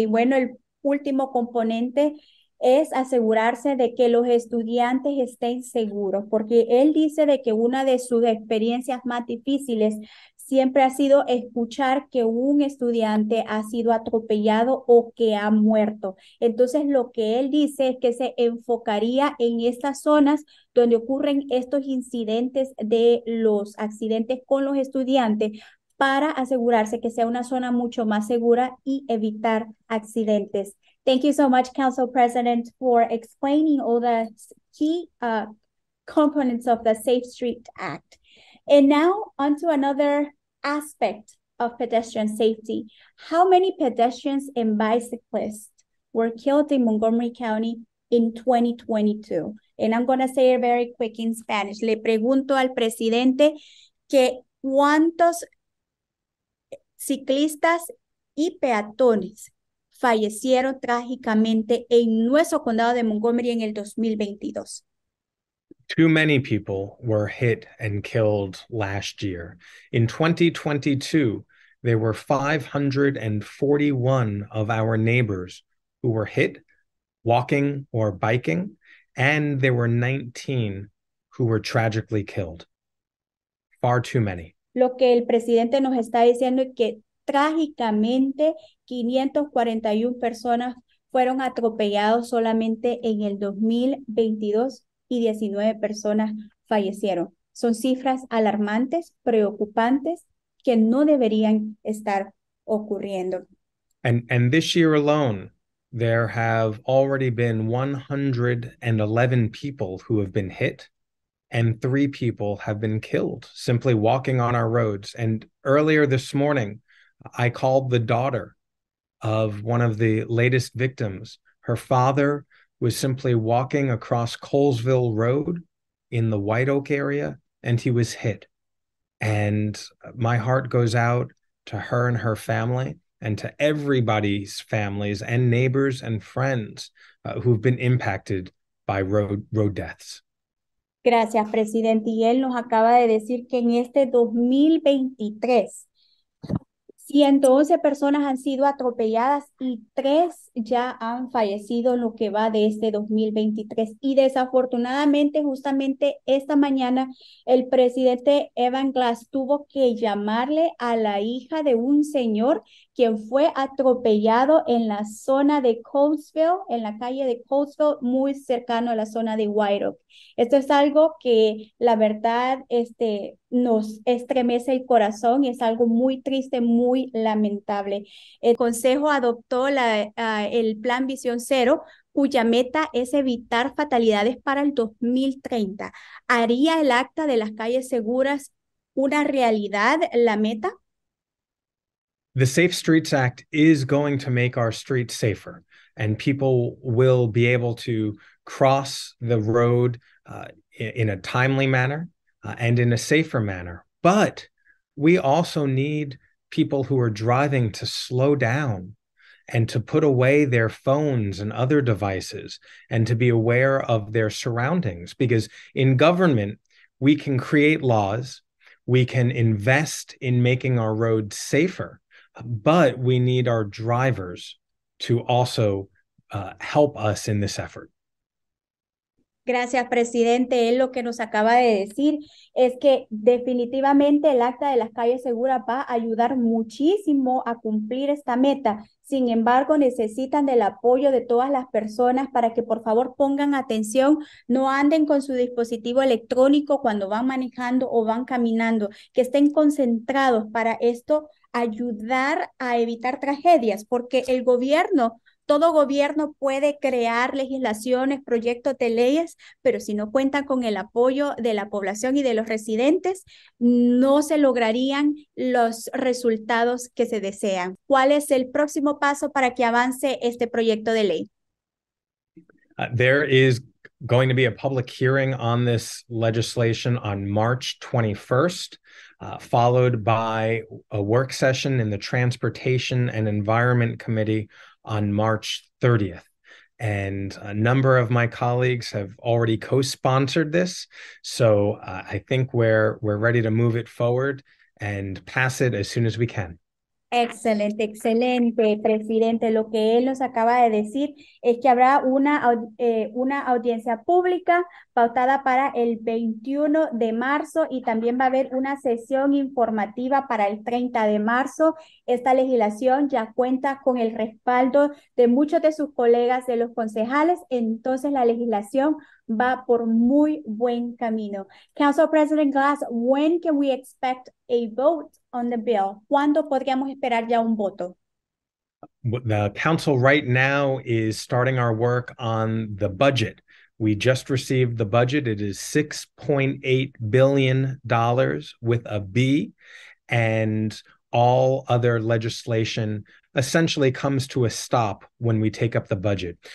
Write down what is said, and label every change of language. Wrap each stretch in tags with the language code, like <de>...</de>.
<es>Y bueno, el último componente es asegurarse de que los estudiantes estén seguros, porque él dice de que una de sus experiencias más difíciles siempre ha sido escuchar que un estudiante ha sido atropellado o que ha muerto. Entonces, lo que él dice es que se enfocaría en estas zonas donde ocurren estos incidentes de los accidentes con los estudiantes para asegurarse que sea una zona mucho más segura y evitar accidentes.</es> <en>Thank you so much, Council President, for explaining all the key components of the Safe Street Act. And now on to another aspect of pedestrian safety. How many pedestrians and bicyclists were killed in Montgomery County in 2022? And I'm going to say it very quick in Spanish.</en> <es>Le pregunto al presidente que cuántos ciclistas y peatones fallecieron trágicamente en nuestro condado de Montgomery en el 2022.</es> <en>Too many people were hit and killed last year. In 2022, there were 541 of our neighbors who were hit walking or biking, and there were 19 who were tragically killed. Far too many.</en> <es>Lo que el presidente nos está diciendo es que trágicamente 541 personas fueron atropellados solamente en el 2022. Y 19 personas fallecieron. Son cifras alarmantes, preocupantes, que no deberían estar ocurriendo.</es> <en>And this year alone, There have already been 111 people who have been hit, and 3 people have been killed simply walking on our roads. And earlier this morning, I called the daughter of one of the latest victims. Her father was simply walking across Colesville Road in the White Oak area, and he was hit. And my heart goes out to her and her family, and to everybody's families and neighbors and friends who've been impacted by road deaths.</en> <es>Gracias, presidente. Y él nos acaba de decir que en este 2023, 111 personas han sido atropelladas y 3 ya han fallecido en lo que va de este 2023. Y desafortunadamente, justamente esta mañana, el presidente Evan Glass tuvo que llamarle a la hija de un señor quien fue atropellado en la zona de Colesville, en la calle de Colesville, muy cercano a la zona de White Oak. Esto es algo que la verdad nos estremece el corazón y es algo muy triste, muy lamentable. El Consejo adoptó el Plan Visión Cero, cuya meta es evitar fatalidades para el 2030. ¿Haría el acta de las calles seguras una realidad, la meta?</es> <en>The Safe Streets Act is going to make our streets safer, and people will be able to cross the road in a timely manner and in a safer manner. But we also need people who are driving to slow down and to put away their phones and other devices and to be aware of their surroundings. Because in government, we can create laws, we can invest in making our roads safer, but we need our drivers to also help us in this effort.</en> <es>Gracias, presidente. Él lo que nos acaba de decir es que definitivamente el acta de las calles seguras va a ayudar muchísimo a cumplir esta meta. Sin embargo, necesitan del apoyo de todas las personas para que por favor pongan atención, no anden con su dispositivo electrónico cuando van manejando o van caminando, que estén concentrados para esto ayudar a evitar tragedias, porque el gobierno, todo gobierno puede crear legislaciones, proyectos de leyes, pero si no cuentan con el apoyo de la población y de los residentes, no se lograrían los resultados que se desean. ¿Cuál es el próximo paso para que avance este proyecto de ley?</es> <en>There is going to be a public hearing on this legislation on March 21st, followed by a work session in the Transportation and Environment Committee on March 30th. And a number of my colleagues have already co-sponsored this. So I think we're ready to move it forward and pass it as soon as we can.</en> <es>Excelente, excelente, presidente. Lo que él nos acaba de decir es que habrá una audiencia pública pautada para el 21 de marzo y también va a haber una sesión informativa para el 30 de marzo. Esta legislación ya cuenta con el respaldo de muchos de sus colegas de los concejales, entonces la legislación va por muy buen camino.</es> <en>Council President Glass, when can we expect a vote on the bill?</en> <es>¿Cuándo podríamos esperar ya un voto?</es> <en>The council right now is starting our work on the budget. We just received the budget. It is $6.8 billion with a B, and all other legislation essentially comes to a stop when we take up the budget.</en>